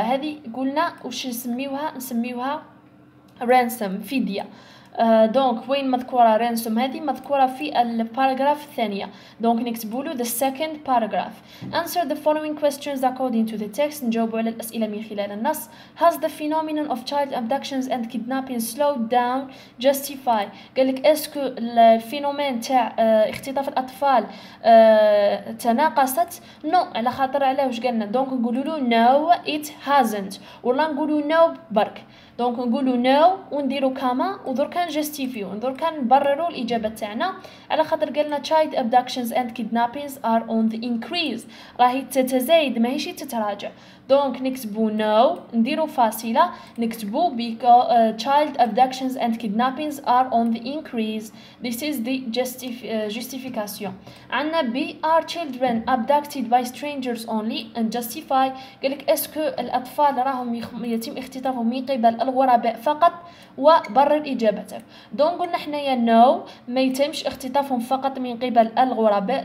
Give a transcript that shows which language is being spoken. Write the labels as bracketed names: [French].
[Arabic] هذه قلنا وش نسميوها ransom فدية. دونك وين مذكوره رانسوم؟ هذه مذكوره في الباراجراف الثانيه. دونك نكتبوا له [English] the second paragraph. Answer the following questions according to the text. [Arabic] نجاوبوا على الاسئله من خلال النص. [English] Has the phenomenon of child abductions and kidnapping slowed down justify. [Arabic] قال لك اسكو الفينومين تاع اختطاف الاطفال تناقصت؟ نو no. على خاطر علاه واش قالنا؟ دونك نقولوا له [English] no it hasn't [Arabic] ولا نقولوا no برك. دونك نقولوا نو ونديروا كاما ودركا نجستيفيو ودركا نبرروا الاجابه تاعنا على خاطر قالنا [English] child abductions and kidnappings are on the increase [Arabic] راهي تتزايد ماهيش تتراجع. دونك نكتبوا نو نديروا فاصله نكتبوا [English] child abductions and kidnappings are on the increase. This is the justification. [Arabic] عندنا بي ار [English] children abducted by strangers only and justify. [Arabic] قالك اسكو الاطفال راهم يتم اختطافهم من قبل الغرباء فقط وبرر اجابتك. دونك قلنا حنايا نو ما يتمش اختطافهم فقط من قبل الغرباء.